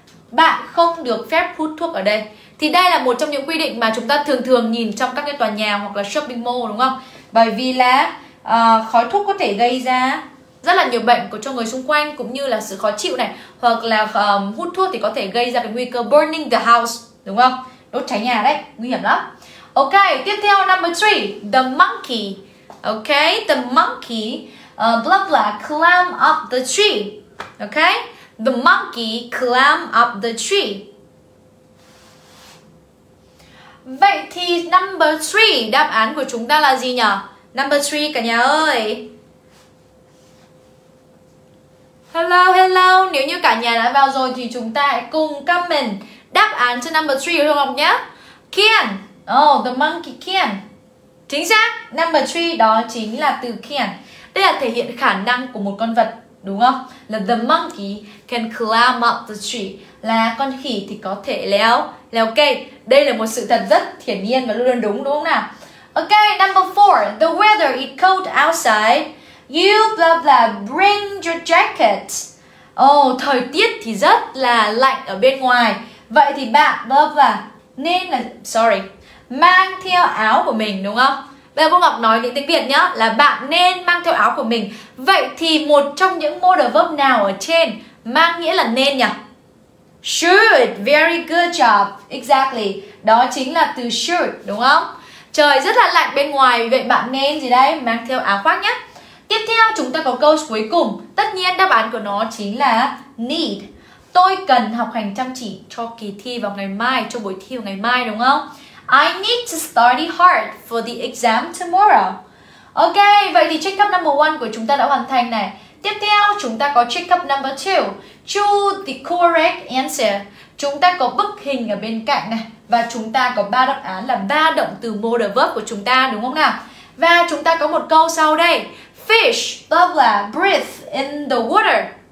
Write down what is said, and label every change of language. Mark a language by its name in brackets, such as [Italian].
[Vietnamese] Bạn không được phép hút thuốc ở đây. Thì đây là một trong những quy định mà chúng ta thường thường nhìn trong các cái tòa nhà hoặc là shopping mall, đúng không? Bởi vì là khói thuốc có thể gây ra rất là nhiều bệnh của cho người xung quanh, cũng như là sự khó chịu này, hoặc là hút thuốc thì có thể gây ra cái nguy cơ [English] burning the house, [Vietnamese] đúng không? Đốt cháy nhà đấy, nguy hiểm lắm. [English] Ok, [Vietnamese] tiếp theo [English] number 3, the monkey. Ok, the monkey blah blah climb up the tree. Ok, the monkey climb up the tree. [Vietnamese] Vậy thì number 3 đáp án của chúng ta là gì nhỉ? Number 3 cả nhà ơi. [English] Hello, hello. [Vietnamese] Nếu như cả nhà đã vào rồi thì chúng ta hãy cùng comment đáp án cho number 3 của Hương Ngọc nhé. Can. [English] Oh, the monkey can. [Vietnamese] Chính xác. [English] Number 3 [Vietnamese] đó chính là từ [English] can. [Vietnamese] Đây là thể hiện khả năng của một con vật, đúng không? Là [English] the monkey can climb up the tree. [Vietnamese] Là con khỉ thì có thể leo cây. Đây là một sự thật rất hiển nhiên và luôn đúng, đúng không nào? [English] Ok, number 4. The weather is cold outside. You blah blah, bring your jacket. [Vietnamese] Oh, thời tiết thì rất là lạnh ở bên ngoài. Vậy thì bạn blah blah nên là, sorry, mang theo áo của mình, đúng không? Bây giờ cô Ngọc nói tiếng Việt nhá, là bạn nên mang theo áo của mình. Vậy thì một trong những modal verb nào ở trên mang nghĩa là nên nhỉ? [English] Should, very good job, exactly. [Vietnamese] Đó chính là từ should, đúng không? Trời rất là lạnh bên ngoài, vậy bạn nên gì đấy? Mang theo áo khoác nhé. Tiếp theo chúng ta có câu cuối cùng. Tất nhiên đáp án của nó chính là need. Tôi cần học hành chăm chỉ cho kỳ thi vào ngày mai, cho buổi thi vào ngày mai, đúng không? [English] I need to study hard for the exam tomorrow. [Vietnamese] Ok, vậy thì check up number 1 của chúng ta đã hoàn thành này. Tiếp theo chúng ta có check up number 2. [English] Choose the correct answer. [Vietnamese] Chúng ta có bức hình ở bên cạnh này. Và chúng ta có ba đáp án là ba động từ modal verb của chúng ta, đúng không nào? Và chúng ta có một câu sau đây. [English] Fish, blah blah, breathe in the water.